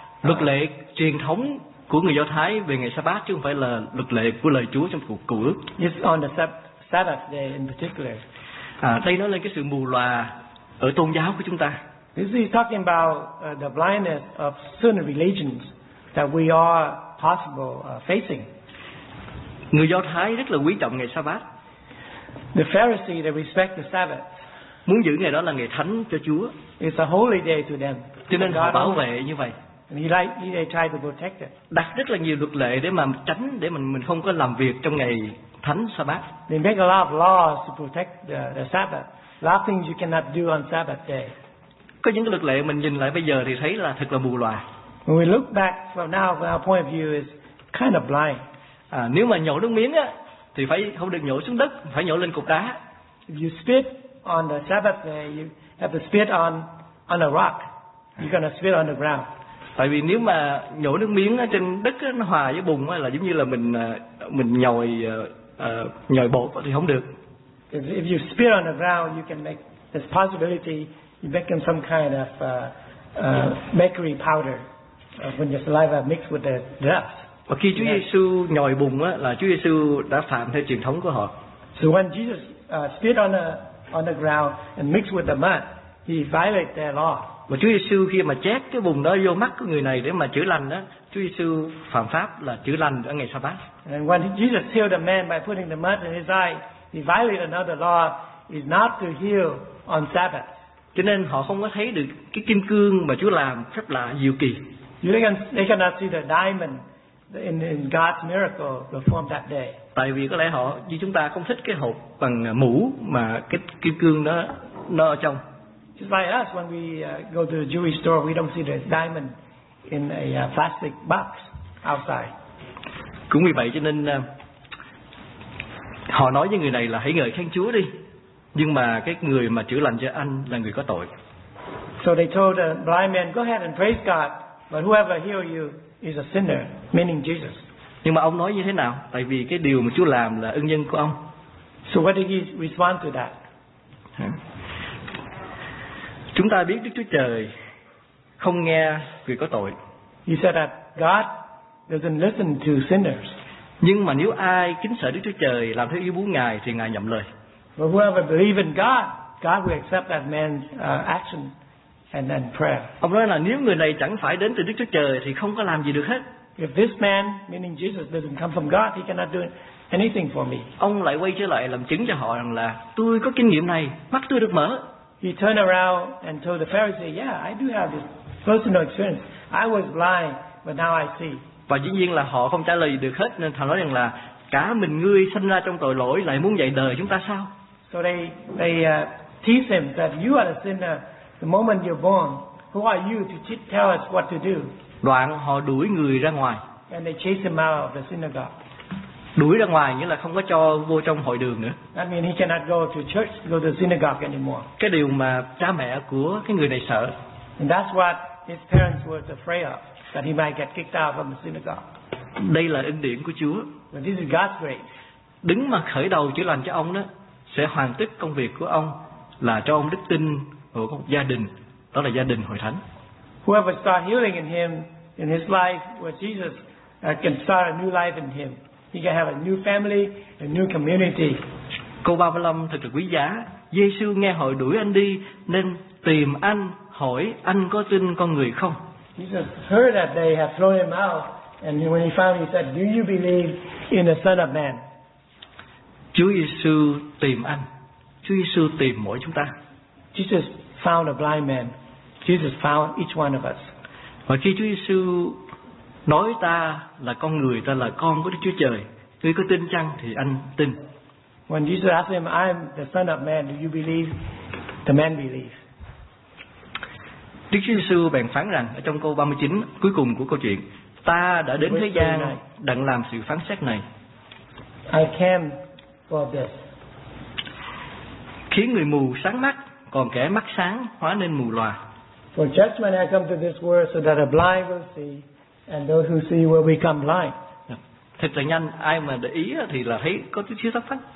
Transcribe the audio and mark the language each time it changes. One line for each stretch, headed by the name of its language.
Vietnamese: Luật lệ truyền thống của người Do Thái về ngày Sa-bát chứ không phải là luật lệ của lời Chúa trong Cựu Ước.
English: It's on the Sabbath day in particular.
Vietnamese: Đây nói lên cái sự mù lòa ở tôn giáo của chúng ta.
English: This is talking about the blindness of certain religions that we are possible facing.
Vietnamese: Người Do Thái rất là quý trọng ngày Sa-bát.
English: The Pharisees, they respect the Sabbath.
Vietnamese: Muốn giữ ngày đó là ngày thánh cho Chúa.
English: It's a holy day to them.
Vietnamese: Cho nên họ bảo vệ như vậy.
English: And he tried to protect it.
Vietnamese: Đặt rất là nhiều luật lệ để mà tránh để mình không có làm việc trong ngày thánh Sa-bát.
English: They make a lot of laws to protect the Sabbath. A lot of things you cannot do on Sabbath day.
Vietnamese: Có những luật lệ mình nhìn lại bây giờ thì thấy là thật là mù lòa.
English: When we look back from now, from our point of view is kind of blind.
Vietnamese: À, nếu mà nhổ nước miếng á, thì phải không được nhổ xuống đất, phải nhổ lên cục đá.
English: If you spit on the Sabbath day, you have to spit on a rock. You're gonna spit on the ground.
Vietnamese: Tại vì nếu mà nhổ nước miếng trên đất nó hòa với bùn là giống như là mình nhồi bột thì không được.
English: If you spit on the ground, you can make there's possibility you make them some kind of mercury powder when your saliva mixed with the dust.
Vietnamese: Và khi Chúa Giêsu nhồi bùn là Chúa Giêsu đã phạm theo truyền thống của họ.
English: So when Jesus spit on the ground and mixed with the mud, he violated their law.
Vietnamese: Và Chúa Giêsu khi mà chét cái bùn đó vô mắt của người này để mà chữa lành đó, Chúa Giêsu phạm pháp là chữa lành ở ngày Sa-bát.
English: And when Jesus healed a man by putting the mud in his eye, he violated another law, is not to heal on Sabbath.
Vietnamese: Cho nên họ không có thấy được cái kim cương mà Chúa làm phép lạ diệu kỳ.
English: They cannot see the diamond in God's miracle performed that day.
Vietnamese: Tại vì có lẽ họ như chúng ta không thích cái hộp bằng mũ mà cái kim cương đó nó ở trong.
English: Just like us, when we go to the jewelry store, we don't see the diamond in a plastic box outside.
Vietnamese: Cũng vì vậy cho nên họ nói với người này là hãy ngợi khen Chúa đi, nhưng mà cái người mà chữa lành cho anh là người có tội.
English: So they told the blind man, go ahead and praise God, but whoever healed you is a sinner, meaning Jesus.
Vietnamese: Nhưng mà ông nói như thế nào? Tại vì cái điều mà Chúa làm là ân nhân của ông.
English: So what did he respond to that?
Vietnamese: Chúng ta biết Đức Chúa Trời không nghe người có tội.
English: He said that God doesn't listen to sinners.
Vietnamese: Nhưng mà nếu ai kính sợ Đức Chúa Trời, làm theo ý muốn Ngài thì Ngài nhậm lời.
English: But whoever believes in God, God will accept that man's action and then prayer.
Vietnamese: Ông nói là nếu người này chẳng phải đến từ Đức Chúa Trời thì không có làm gì được hết.
English: If this man, meaning Jesus, doesn't come from God, he cannot do anything for me.
Vietnamese: Ông lại quay trở lại làm chứng cho họ rằng là tôi có kinh nghiệm này, mắt tôi được mở.
English: He turned around and told the Pharisee, yeah, I do have this personal experience. I was blind, but now I see.
Vietnamese: Và dĩ nhiên là họ không trả lời được hết, nên họ nói rằng là cả mình ngươi sinh ra trong tội lỗi lại muốn dạy đời chúng ta sao?
English: So they teach him that you are a sinner the moment you're born. Who are you to tell us what to do?
Vietnamese: Đoạn họ đuổi người ra ngoài.
English: And they chase him out of the synagogue.
Vietnamese: Đuổi ra ngoài nghĩa là không có cho vô trong hội đường nữa.
English: That means he cannot go to church, go to the synagogue anymore.
Vietnamese: Cái điều mà cha mẹ của cái người này sợ.
English: And that's what his parents were afraid of, that he might get kicked out from the synagogue.
Vietnamese: Đây là ân điển của Chúa.
English: And this is God's grace.
Vietnamese: Đứng mà khởi đầu chữa lành cho ông đó sẽ hoàn tất công việc của ông là cho ông đức tin của một gia đình, đó là gia đình hội thánh.
English: Whoever start healing in him in his life with Jesus can start a new life in him. He can have a new family, a new community.
Vietnamese: Câu 35 thật là quý giá. Giêsu nghe hội đuổi anh đi nên tìm anh hỏi anh có tin con người không?
English: Jesus heard that they have thrown him out, and when he found, he said, "Do you believe in the Son of Man?"
Vietnamese: Chúa Giêsu tìm anh. Chúa Giêsu tìm mỗi chúng ta.
English: Jesus found a blind man. Jesus found each one of us.
Vietnamese: Và khi Chúa Giêsu nói ta là con người, ta là con của Đức Chúa Trời, ngươi có tin chăng thì anh tin.
English: When Jesus asked him, "I'm the Son of Man. Do you believe?" The man believed.
Vietnamese: Đức Chúa Giêsu bèn phán rằng ở trong câu 39 cuối cùng của câu chuyện, ta đã đến thế gian đặng làm sự phán xét này.
English: I came for this.
Vietnamese: Khiến người mù sáng mắt, còn kẻ mắt sáng hóa nên mù lòa.
English: For judgment I come to this world so that the blind will see and those who see will become blind.
Vietnamese: Thật là nhanh, ai mà để ý thì là thấy có chút xíu thất thất.